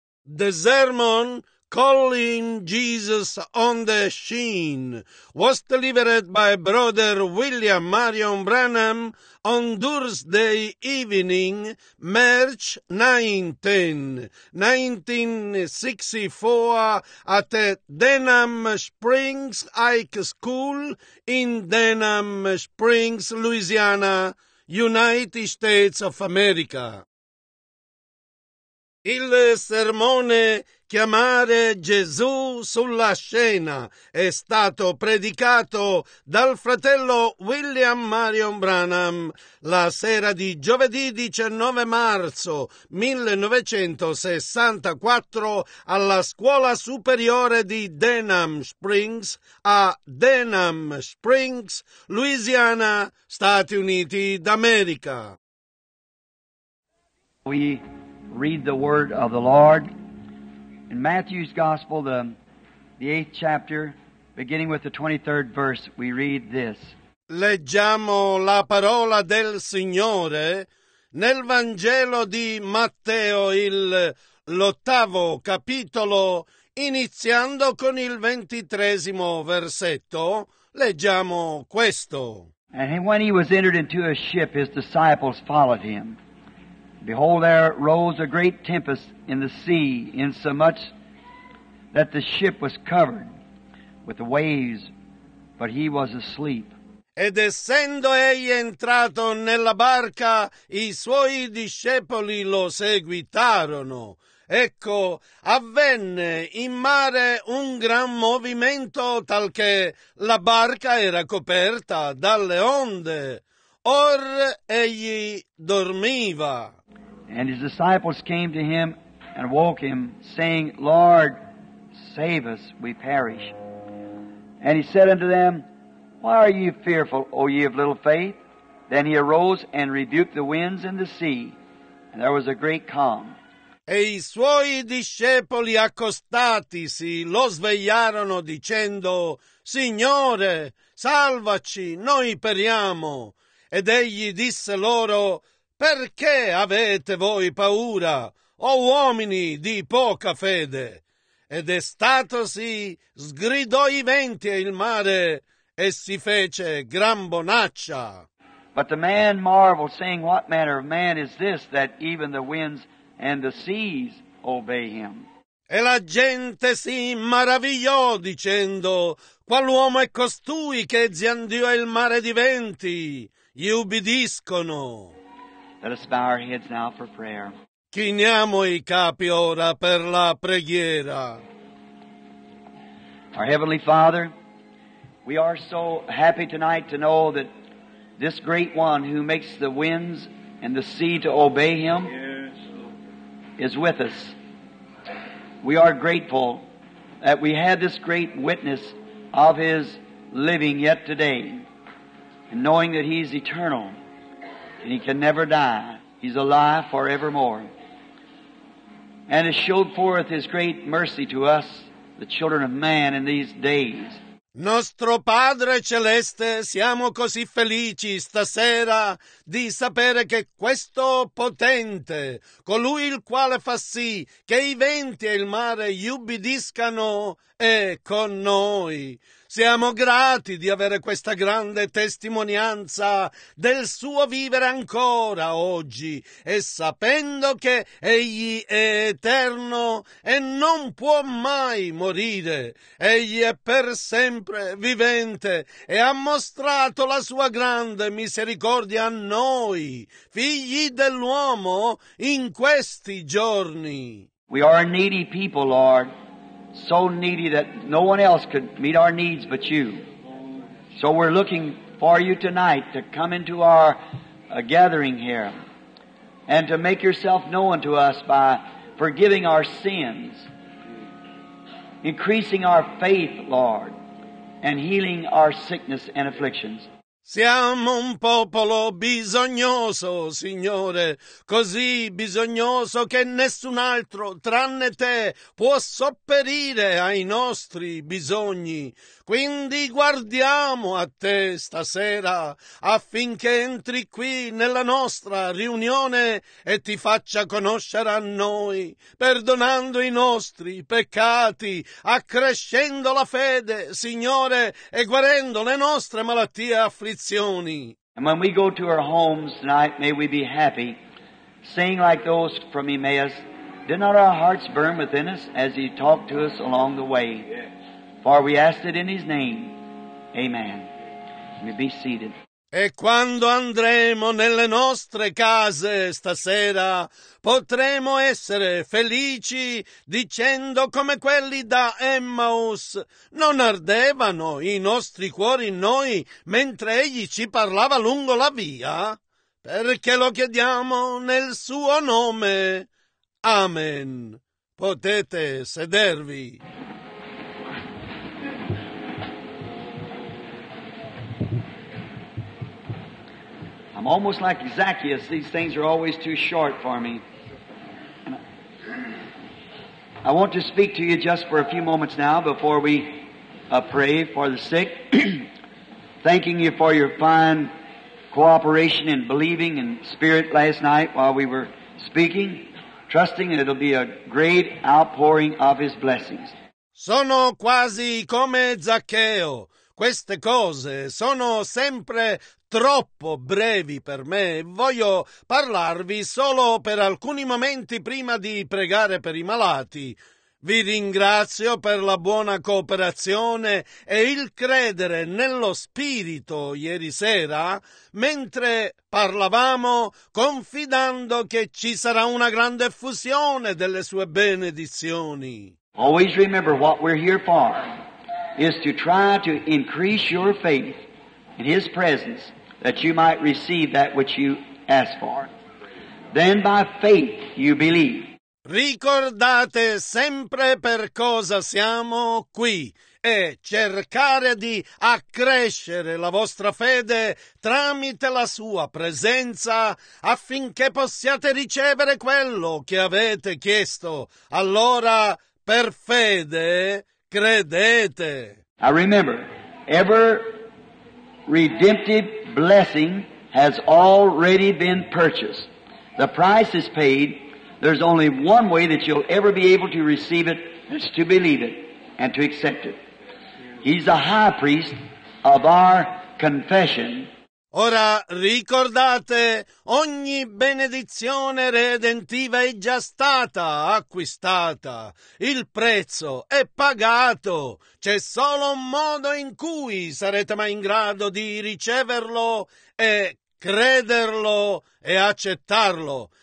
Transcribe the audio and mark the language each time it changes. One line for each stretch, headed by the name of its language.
English: The sermon calling Jesus on the scene was delivered by Brother William Marion Branham on Thursday evening, March 19, 1964, at Denham Springs High School in Denham Springs, Louisiana, United States of America.
Italian: Il sermone Chiamare Gesù sulla scena è stato predicato dal fratello William Marion Branham la sera di giovedì 19 marzo 1964 alla Scuola Superiore di Denham Springs a Denham Springs, Louisiana, Stati Uniti d'America.
English: We read the word of the Lord. In Matthew's Gospel, the 8th chapter, beginning with the 23rd verse, we read this.
Italian: Leggiamo la parola del Signore nel Vangelo di Matteo, l'ottavo capitolo, iniziando con il 23° versetto. Leggiamo questo.
English: And when he was entered into a ship, his disciples followed him. Behold, there rose a great tempest in the sea, insomuch that the ship was covered with the waves, but he was asleep.
Italian: Ed essendo egli entrato nella barca, i suoi discepoli lo seguitarono. Ecco, avvenne in mare un gran movimento, tal che la barca era coperta dalle onde. Or egli dormiva.
English: And his disciples came to him and woke him, saying, Lord, save us, we perish. And he said unto them, Why are ye fearful, O ye of little faith? Then he arose and rebuked the winds and the sea, and there was a great calm.
Italian: E i suoi discepoli accostatisi lo svegliarono dicendo, Signore, salvaci, noi periamo. Ed egli disse loro, Perché avete voi paura, o uomini di poca fede? Ed estatosi, sgridò i venti e il mare, e si fece gran bonaccia.
English: But the man marveled, saying, What manner of man is this, that even the winds and the seas obey him?
Italian: E la gente si maravigliò, dicendo, Qual'uomo è costui che ziandio il mare di venti? Gli ubbidiscono.
English: Let us bow our heads now for prayer.
Italian: Chiniamo i capi ora per la preghiera.
English: Our Heavenly Father, we are so happy tonight to know that this great one who makes the winds and the sea to obey him is with us. We are grateful that we had this great witness of his living yet today, and knowing that he is eternal. And he can never die. He's alive forevermore. And has showed forth his great mercy to us, the children of man, in these days.
Italian: Nostro Padre Celeste, siamo così felici stasera di sapere che questo potente, colui il quale fa sì che i venti e il mare gli ubbidiscano, è con noi. Siamo grati di avere questa grande testimonianza del suo vivere ancora oggi e sapendo che egli è eterno e non può mai morire. Egli è per sempre vivente e ha mostrato la sua grande misericordia a noi, figli dell'uomo, in questi giorni.
English: We are needy people, Lord. So needy that no one else could meet our needs but you. So we're looking for you tonight to come into our gathering here and to make yourself known to us by forgiving our sins, increasing our faith, Lord, and healing our sickness and afflictions.
Italian: Siamo un popolo bisognoso, Signore, così bisognoso che nessun altro tranne Te può sopperire ai nostri bisogni. Quindi guardiamo a Te stasera affinché entri qui nella nostra riunione e Ti faccia conoscere a noi, perdonando i nostri peccati, accrescendo la fede, Signore, e guarendo le nostre malattie e afflizioni.
English: And when we go to our homes tonight, may we be happy, saying like those from Emmaus, did not our hearts burn within us as He talked to us along the way? For we asked it in His name. Amen. May be seated.
Italian: E quando andremo nelle nostre case stasera, potremo essere felici dicendo come quelli da Emmaus. Non ardevano i nostri cuori in noi mentre Egli ci parlava lungo la via? Perché lo chiediamo nel Suo nome. Amen. Potete sedervi.
English: I'm almost like Zacchaeus. These things are always too short for me. I want to speak to you just for a few moments now before we pray for the sick, thanking you for your fine cooperation and believing in spirit last night while we were speaking, trusting that it'll be a great outpouring of His blessings.
Italian: Sono quasi come Zaccheo. Queste cose sono sempre troppo brevi per me. Voglio parlarvi solo per alcuni momenti prima di pregare per i malati. Vi ringrazio per la buona cooperazione e il credere nello Spirito ieri sera mentre parlavamo, confidando che ci sarà una grande effusione delle sue benedizioni.
English: Always remember what we're here for is to try to increase your faith in His presence, that you might receive that which you ask for. Then by faith you believe.
Italian: Ricordate sempre per cosa siamo qui e cercare di accrescere la vostra fede tramite la sua presenza affinché possiate ricevere quello che avete chiesto. Allora, per fede, credete.
English: I remember, ever redemptive blessing has already been purchased. The price is paid. There's only one way that you'll ever be able to receive it, is to believe it and to accept it. He's the high priest of our confession.
Italian: Ora ricordate, ogni benedizione redentiva è già stata acquistata. Il prezzo è pagato. C'è solo un modo in cui sarete mai in grado di riceverlo e crederlo e accettarlo.